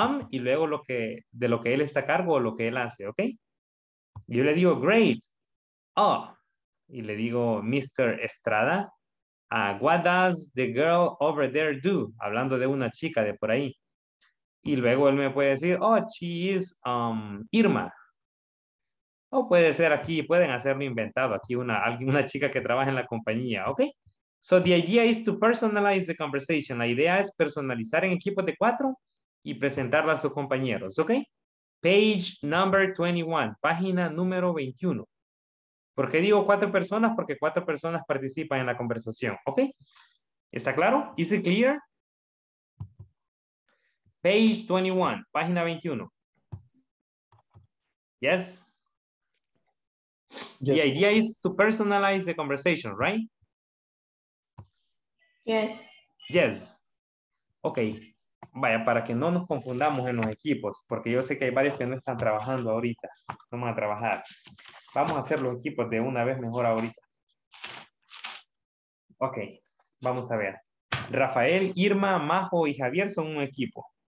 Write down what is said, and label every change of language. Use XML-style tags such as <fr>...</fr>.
<es>Y luego lo que él está a cargo o lo que él hace, ¿ok? Yo le digo, great. Oh, y le digo, Mr.</es> <en>Estrada, what does the girl over there do?</en> <es>Hablando de una chica de por ahí. Y luego él me puede decir,</es> <en>oh, she is Irma.</en> <es>O puede ser aquí, pueden hacerlo inventado aquí, una chica que trabaja en la compañía, ¿ok?</es> <en>So the idea is to personalize the conversation.</en> <es>La idea es personalizar en equipo de cuatro y presentarla a sus compañeros, ¿ok?</es> <en>Page number 21,</en> <es>página número 21. ¿Por qué digo cuatro personas? Porque cuatro personas participan en la conversación, ¿ok? ¿Está claro?</es> <en>Is it clear? Page 21,</en> <es>página 21.</es> <en>Yes? Yes. The idea is to personalize the conversation, right? Yes. Yes. Okay.</en> <es>Vaya, para que no nos confundamos en los equipos, porque yo sé que hay varios que no están trabajando ahorita. Vamos a trabajar. Vamos a hacer los equipos de una vez mejor ahorita. Okay. Vamos a ver. Rafael, Irma, Majo y Javier son un equipo.</es>